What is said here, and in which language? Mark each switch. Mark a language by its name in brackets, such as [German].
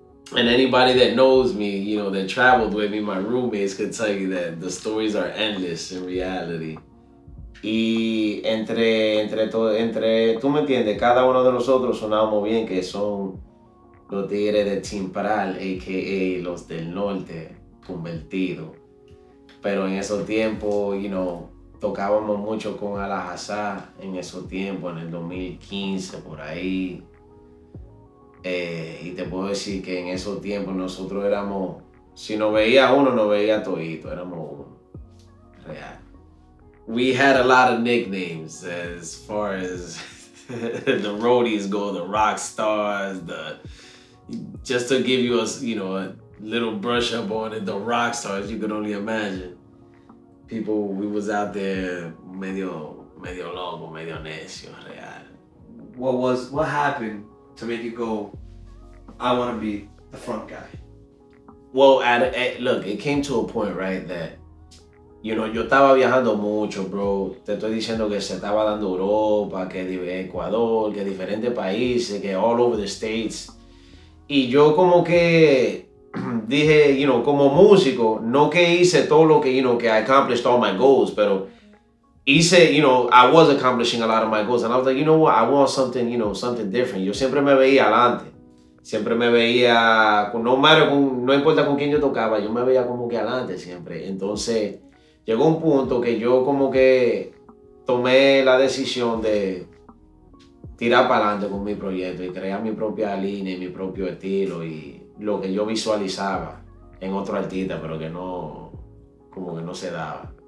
[English] And anybody that knows me, you know, that traveled with me, my roommates, could tell you that the stories are endless in reality. [Spanish] Y entre tú me entiendes, cada uno de nosotros sonábamos bien, que son los tigres de Chimpral, a.k.a. los del norte convertido. Pero en esos tiempos, you know, tocábamos mucho con Alhazard en esos tiempos, en el 2015, por ahí. Y te puedo decir que en esos tiempos nosotros éramos, si nos veía uno, nos veía todito, éramos uno. [English] Real. We had a lot of nicknames as far as the roadies go, the rock stars, the, just to give you a, you know, a little brush up on it, the rock stars, you can only imagine. People, we was out there medio loco, medio necio, real. What happened to make you go, I want to be the front guy? Well, look, it came to a point, right, that, you know, yo estaba viajando mucho, bro. Te estoy diciendo que se estaba dando Europa, que Ecuador, que diferentes países, que [Spanish] all over the states. [English] Y yo como que dije, you know, como músico, no que hice todo lo que, you know, que I accomplished all my goals, pero hice, you know, I was accomplishing a lot of my goals. And I was like, you know what, I want something, you know, something different. [Spanish] Yo siempre me veía adelante. Siempre me veía, no matter, no importa con quién yo tocaba, yo me veía como que adelante siempre. Entonces, llegó un punto que yo como que tomé la decisión de tirar para adelante con mi proyecto y crear mi propia línea y mi propio estilo y lo que yo visualizaba en otro artista, pero que no, como que no se daba.